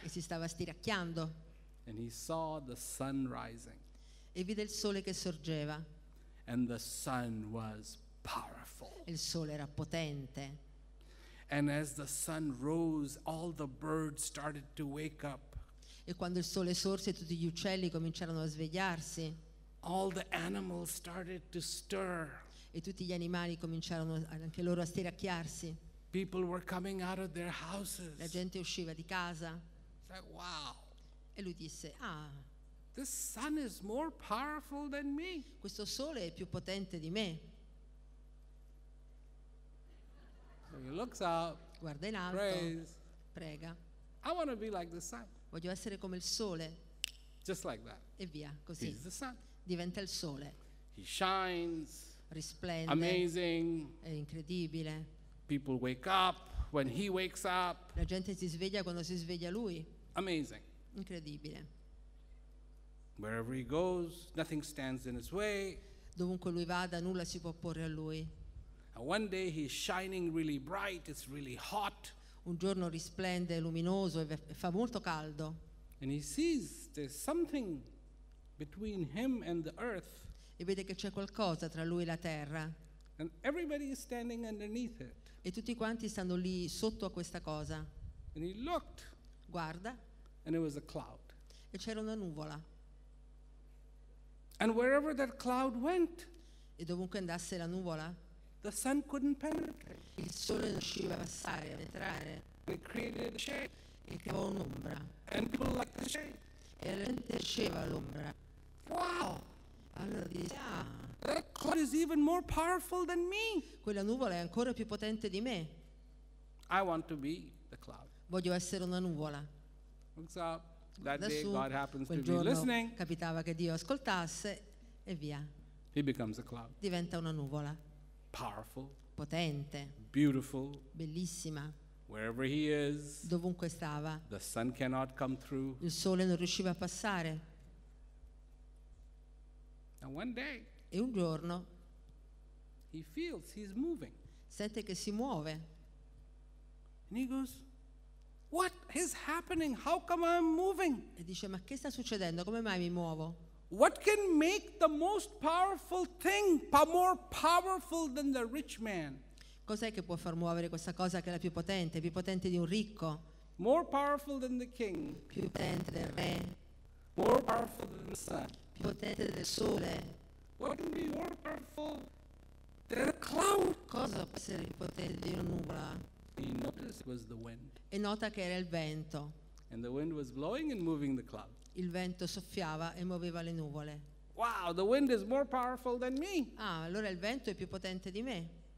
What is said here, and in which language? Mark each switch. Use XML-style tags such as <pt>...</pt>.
<it>E si stava stiracchiando.</it> <en>And he saw the sun rising.</en> <it>E vide il sole che sorgeva.</it> <en>And the sun was powerful.</en> <it>Il sole era potente.</it> <en>And as the sun rose, all the birds started to wake up.</en> <it>E quando il sole sorse, tutti gli uccelli cominciarono a svegliarsi.</it> <en>All the animals started to stir.</en> <it>E tutti gli animali cominciarono anche loro a stiracchiarsi.</it> <en>People were coming out of their houses.</en> <it>La gente usciva di casa.</it> <en>Like, wow.</en> <it>E lui disse, ah.</it> <en>This sun is more powerful than me.</en> <it>Questo sole è più potente di me.</it> <en>So he looks up,</en> <it>guarda in alto,</it> <en>prays,</en> <it>prega.</it> <en>I want to be like the sun.</en> <it>Voglio essere come il sole.</it> <en>Just like that.</en> <it>E via, così.</it> <en>He's the sun.</en> <it>Diventa il sole.</it> <en>He shines.</en> <it>Risplende.</it> <en>Amazing.</en> <it>È incredibile.</it> <en>People wake up when he wakes up.</en> <it>La gente si sveglia quando si sveglia lui.</it> <en>Amazing.</en> <it>Incredibile.</it> <en>Wherever he goes, nothing stands in his way.</en> <it>Dovunque lui vada, nulla si può opporre a lui.</it> <en>And one day he's shining really bright, it's really hot.</en> <it>Un giorno risplende, è luminoso e fa molto caldo.</it> <en>And he sees there's something between him and the earth.</en> <it>E vede che c'è qualcosa tra lui e la terra.</it> <en>And everybody is standing underneath it.</en> <it>E tutti quanti stanno lì sotto a questa cosa.</it> <en>And he looked.</en> <it>Guarda.</it> <en>And it was a cloud.</en> <it>E c'era una nuvola.</it> <en>And wherever that cloud went,</en> <it>e dovunque andasse la nuvola,</it> <en>the sun couldn't penetrate.</en> <it>Il sole non riusciva a passare, a entrare.</it> <en>It created a shade.</en> <it>E creò un'ombra.</it> <en>And people liked the shade.</en> <it>E la gente cresceva l'ombra.</it> <en>Wow!</en> <it>Allora dice, ah,</it> <en>that cloud is even more powerful than me.</en> <it>Quella nuvola è ancora più potente di me.</it> <en>I want to be the cloud.</en> <it>Voglio essere una nuvola.</it> <en>Looks up. That day God happens</en> <it>quel</it> <en>to be listening.</en> <it>Capitava che Dio ascoltasse e via.</it> <en>He becomes a cloud.</en> <it>Diventa una nuvola.</it> <en>Powerful.</en> <it>Potente.</it> <en>Beautiful.</en> <it>Bellissima.</it> <en>Wherever he is.</en> <it>Dovunque stava.</it> <en>The sun cannot come through.</en> <it>Il sole non riusciva a passare.</it> <en>And one day.</en> <it>E un giorno.</it> <en>He feels he's moving.</en> <it>Sente che si muove.</it> <en>And he goes, what is happening? How come I'm moving?</en> <it>E dice, ma che sta succedendo? Come mai mi muovo?</it> <en>What can make the most powerful thing more powerful than the rich man?</en> <it>Cos'è che può far muovere questa cosa che è la più potente di un ricco?</it> <en>More powerful than the king.</en> <it>Più potente del re.</it> <en>More powerful than the sun.</en> <it>Più potente del sole.</it> <en>What can be more powerful than a cloud?</en> <it>Cosa può essere più potente di una nuvola?</it> <en>He noticed was the wind.</en> <it>E nota che era il vento.</it> <en>And the wind was blowing and moving the cloud.</en> <it>Il vento soffiava e muoveva le nuvole.</it> <en>Wow, the wind is more powerful than me.</en> <it>Ah, allora il vento è più potente di me.</it>